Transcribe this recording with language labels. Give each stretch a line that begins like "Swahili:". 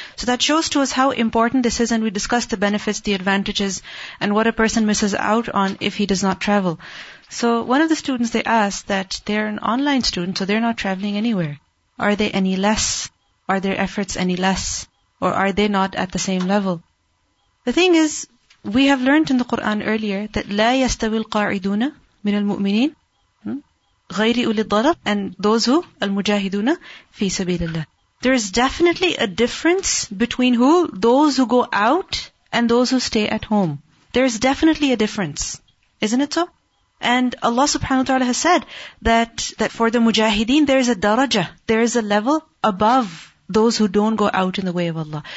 English: So that shows to us how important this is, and we discussed the benefits, the advantages, and what a person misses out on if he does not travel. So one of the students, they asked that they're an online student, so they're not traveling anywhere. Are they any less? Are their efforts any less? Or are they not at the same level? The thing is, we have learned in the Quran earlier that
Arabic: لا يستوي القاعدون من المؤمنين غير أولي الضرر
English: and those who
Arabic: المجاهدون في سبيل الله.
English: There is definitely a difference between who? Those who go out and those who stay at home. There is definitely a difference. Isn't it so? And Allah subhanahu wa ta'ala has said that for the mujahideen there is a daraja, there is a level above those who don't go out in the way of Allah.